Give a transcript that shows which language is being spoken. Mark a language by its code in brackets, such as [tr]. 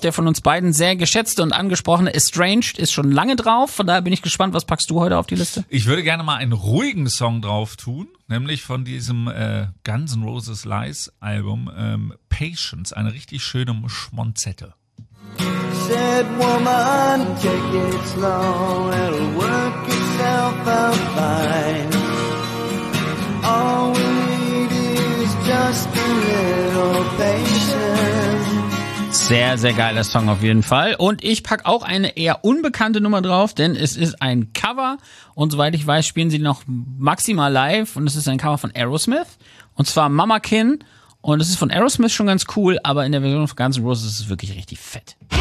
[de] Der von uns beiden sehr geschätzte und angesprochene Estranged ist schon lange drauf. Von daher bin ich gespannt, was packst du heute auf die Liste? Ich würde gerne mal einen ruhigen Song drauf tun, nämlich von diesem Guns N' Roses Lies Album Patience, eine richtig schöne Schmonzette. [en] Said woman, take it slow, it'll work itself out fine. All we need is just a little patience. [de] Sehr, sehr geiler Song auf jeden Fall. Und ich pack auch eine eher unbekannte Nummer drauf, denn es ist ein Cover. Und soweit ich weiß, spielen sie noch maximal live. Und es ist ein Cover von Aerosmith. Und zwar Mama Kin. Und es ist von Aerosmith schon ganz cool, aber in der Version von Guns N' Roses ist es wirklich richtig fett.